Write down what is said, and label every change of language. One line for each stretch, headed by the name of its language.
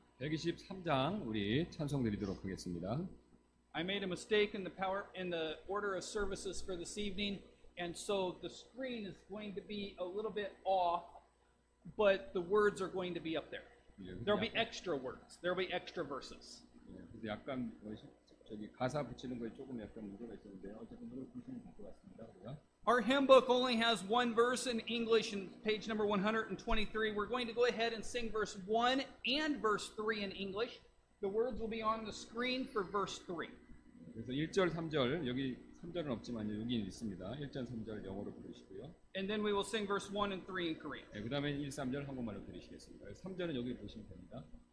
Korean: 123장 우리 찬송 드리도록 하겠습니다.
English: I made a mistake in the order of services for this evening, and so the screen is going to be a little bit off, but the words are going to be up there.
Korean: 예,
English: There'll be extra words. There'll be extra verses.
Korean: 예, 약간 저기 가사 붙이는 거에 조금 약간 문제가 있었는데 어쨌든 그걸 보시면 될 것 같습니다. 우리가.
English: Our hymn book only has one verse in English, in page number 123. We're going to go ahead and sing verse 1 and verse 3 in English. The words will be on the screen for verse 3.
Korean: 그래서 1절, 3절, 여기 3절은 없지만 여기는 있습니다. 1절, 3절 영어로 부르시고요.
English: And then we will sing verse 1 and 3 in Korean.
Korean: 네, 그 다음에 1, 3절 한국말로 부르시겠습니다. 3절은 여기 보시면 됩니다.